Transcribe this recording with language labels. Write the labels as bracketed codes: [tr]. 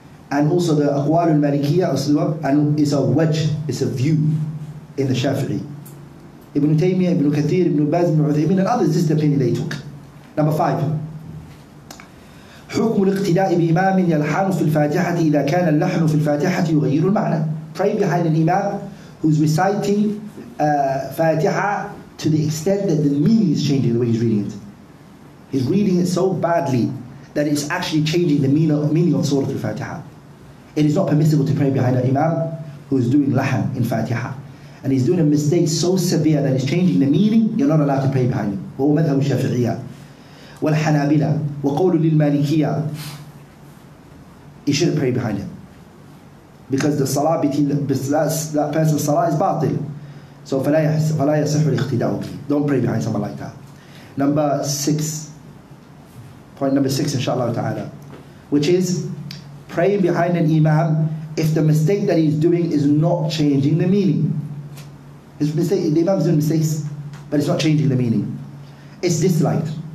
[en] And also the Aqwal al-Malikiyya, and it's a wedge, it's a view in the Shafi'i. Ibn Taymiyyah, Ibn Kathir, Ibn Baz, Ibn Uthaymeen, and others, this is the opinion they took. Number five. [ar] حكم الاقتداء بإمام يلحن في الفاتحة إذا كان اللحن في الفاتحة يغير المعنى. [en] Pray behind an imam who's reciting Fatiha to the extent that the meaning is changing the way he's reading it. He's reading it so badly that it's actually changing the meaning of Surah Al-Fatiha. It is not permissible to pray behind an imam who is doing lahan in Fatiha. And he's doing a mistake so severe that it's changing the meaning, you're not allowed to pray behind him. [ar] وهو مذهب الشافعية والحنابلة وقول للمالكية. [en] You shouldn't pray behind him. Because the salah between that person's salah is batil. So [ar] فلا يصح الاقتداء به. [en] Don't pray behind someone like that. Number six. Point number six, inshallah ta'ala, which is praying behind an imam if the mistake that he's doing is not changing the meaning. His mistake, the imam's doing mistakes, but it's not changing the meaning. It's disliked.